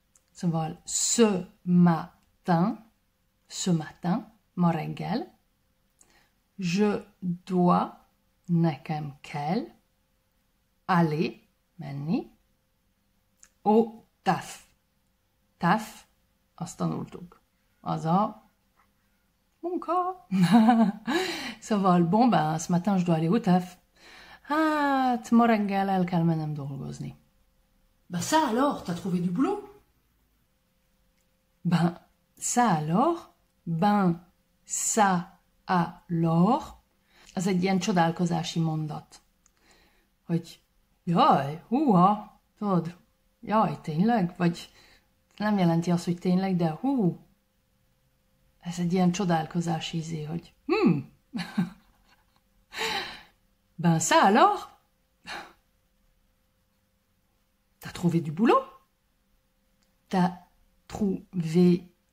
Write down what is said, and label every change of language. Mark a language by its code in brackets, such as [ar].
[hu] Szóval, [fr] ce matin, [hu] ma reggel, [fr] je dois, [hu] nekem kell, [fr] aller, [hu] menni, [fr] au taf. [hu] Taf, azt tanultuk, az a munka. Szóval, [fr] bon ben, ce matin, je dois aller au taf. [hu] Hát, ma reggel el kell mennem dolgozni. [fr] Ben, ça alors, t'as trouvé du boulot? Ben, ça alors, ben, ça alors. [hu] Ez egy ilyen csodálkozási mondat. Hogy, jaj, húha, tudod, jaj, tényleg? Vagy nem jelenti azt, hogy tényleg, de hú. Ez egy ilyen csodálkozási izé, hogy [fr] Ben ça alors? T'as trouvé du boulot? T'as trouvé